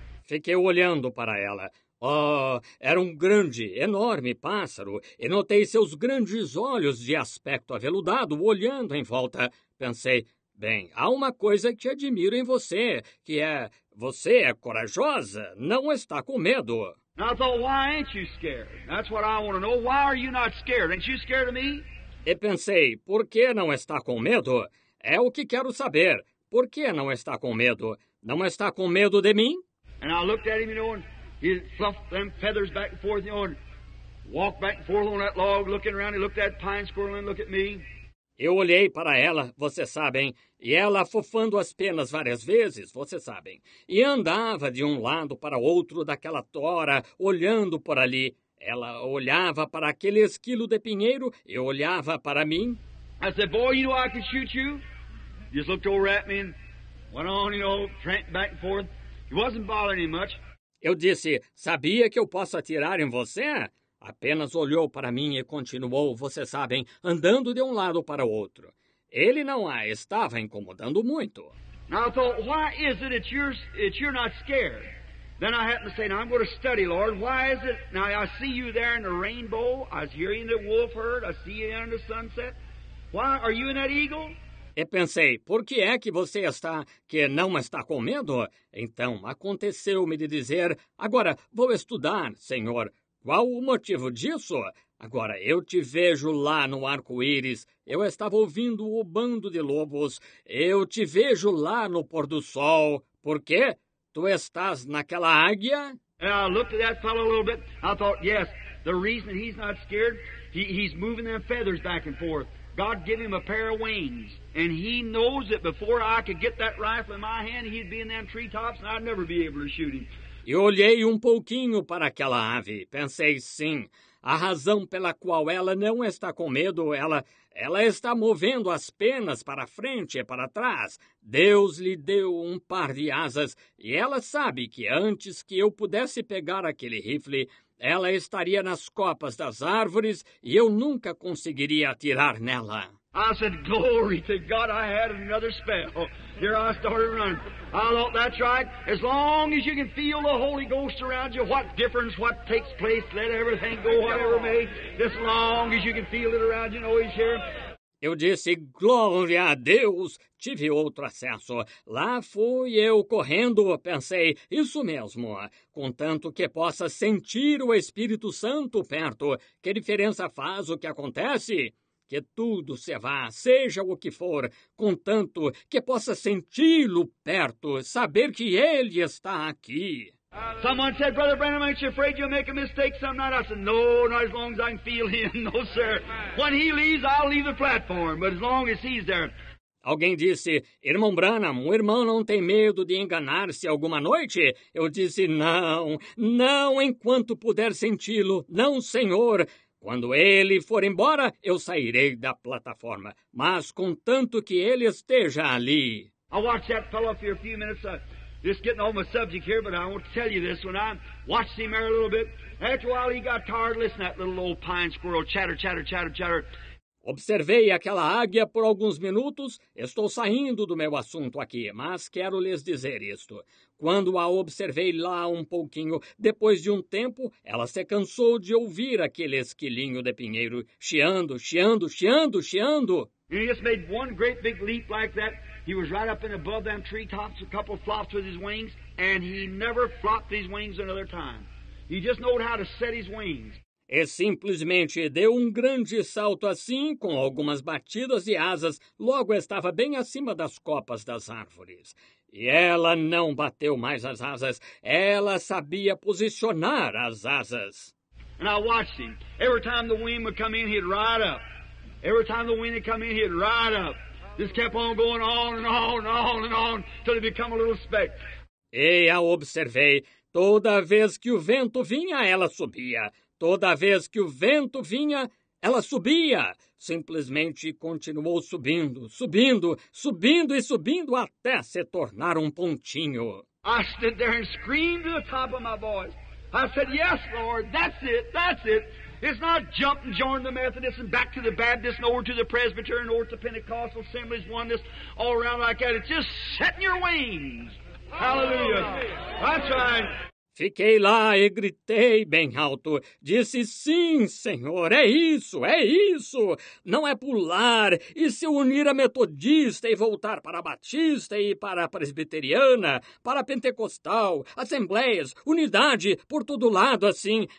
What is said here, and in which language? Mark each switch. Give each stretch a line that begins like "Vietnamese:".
Portuguese: Fiquei olhando para ela. Oh, era um grande, enorme pássaro, e notei seus grandes olhos de aspecto aveludado olhando em volta. Pensei, bem, há uma coisa que admiro em você, que é, você é corajosa, não está com medo.
English: Now I thought, why ain't you scared? That's what I want to know, why are you not scared? Ain't you scared of me?
Portuguese: E pensei, por que não está com medo? É o que quero saber. Por que não está com medo? Não está com medo de mim?
English: And I looked at him, you know, and he fluffed them feathers back and forth, you know, and walked back and forth on that log, looking around, he looked at pine squirrel and looked at me.
Portuguese: Eu olhei para ela, vocês sabem, e ela fofando as penas várias vezes, vocês sabem, e andava de um lado para outro daquela tora, olhando por ali. Ela olhava para aquele esquilo de pinheiro e olhava para mim.
English: I said, boy, you know I can shoot you? Just looked over at me and went on, you know, tramped back and forth. He wasn't bothering me much.
Portuguese: Eu disse, sabia que eu posso atirar em você? Apenas olhou para mim e continuou, vocês sabem, andando de um lado para o outro. Ele não a estava incomodando muito.
English: Now I thought, why is it that you're not scared? Then I happened to say, now I'm going to study, Lord. Why is it? Now I see you there in the rainbow. I was hearing the wolf herd. I see you there in the sunset. Why are you in that eagle?
Portuguese: E pensei, por que é que você está, que não está com medo? Então, aconteceu-me de dizer, agora, vou estudar, Senhor. Qual o motivo disso? Agora, eu te vejo lá no arco-íris. Eu estava ouvindo o bando de lobos. Eu te vejo lá no pôr do sol. Por quê? Tu estás naquela águia?
English: I looked at that fellow a little bit. I thought, yes, the reason he's not scared, he's moving them feathers back and forth. God gave him a pair of wings. And he knows that before I could get that rifle in my hand, he'd be in them treetops and I'd never be able to shoot him.
Portuguese: Eu olhei pouquinho para aquela ave. Pensei, sim, a razão pela qual ela não está com medo, ela está movendo as penas para frente e para trás. Deus lhe deu par de asas e ela sabe que antes que eu pudesse pegar aquele rifle, ela estaria nas copas das árvores e eu nunca conseguiria atirar nela.
English: I said, glory to God, I had another spell. Here I started running. I thought, that's right. As long as you can feel the Holy Ghost around you, what difference, what takes place, let everything go, whatever may. As long as you can feel it around you, know he's here.
Portuguese: Eu disse, glória a Deus, tive outro acesso. Lá fui eu correndo, pensei, isso mesmo. Contanto que possa sentir o Espírito Santo perto, que diferença faz o que acontece? Que tudo se vá, seja o que for, contanto que possa senti-lo perto, saber que ele está aqui.
English: Someone said, Brother Branham, aren't you afraid you'll make a mistake some night? I said, no, not as long as I can feel him. No, sir. When he leaves, I'll leave the platform, but as long as he's there.
Portuguese: Alguém disse, irmão Branham, o irmão não tem medo de enganar-se alguma noite? Eu disse, não, não enquanto puder senti-lo, não, senhor. Quando ele for embora, eu sairei da plataforma, mas contanto que ele esteja ali.
English: I watched that fellow for a few minutes. Just getting off my subject here, but I want to tell you this. When I watched him there a little bit, after a while he got tired listening to that little old pine squirrel chatter, chatter, chatter, chatter.
Portuguese: Observei aquela águia por alguns minutos. Estou saindo do meu assunto aqui, mas quero lhes dizer isto. Quando a observei lá pouquinho, depois de tempo, ela se cansou de ouvir aquele esquilinho de pinheiro chiando, chiando, chiando, chiando.
English: He just made one great big leap like that. He was right up and above them treetops, a couple flops with his wings, and he never flopped his wings another time. He just knew how to set his wings.
Portuguese: E simplesmente deu grande salto assim, com algumas batidas de asas, logo estava bem acima das copas das árvores. E ela não bateu mais as asas, ela sabia posicionar as asas.
English: And I watched him. Every time the wind would come in, he'd ride up. Every time the wind would come in, he'd ride up. Just kept on going on and on and on and on, till he'd become a little speck.
Portuguese: E a observei, toda vez que o vento vinha, ela subia. Toda vez que o vento vinha, ela subia. Simplesmente continuou subindo, subindo, subindo e subindo até se tornar pontinho.
English: I stood there and screamed to the top of my voice. I said, yes, Lord, that's it, that's it. It's not jump and join the Methodist and back to the Baptist and over to the Presbyterian or to Pentecostal assemblies, oneness, all around like that. It's just setting your wings. Hallelujah. That's right.
Portuguese: Fiquei lá e gritei bem alto. Disse, sim, senhor, é isso, é isso. Não é pular e se unir a metodista e voltar para a batista e para a presbiteriana, para a pentecostal, assembleias, unidade, por todo lado assim.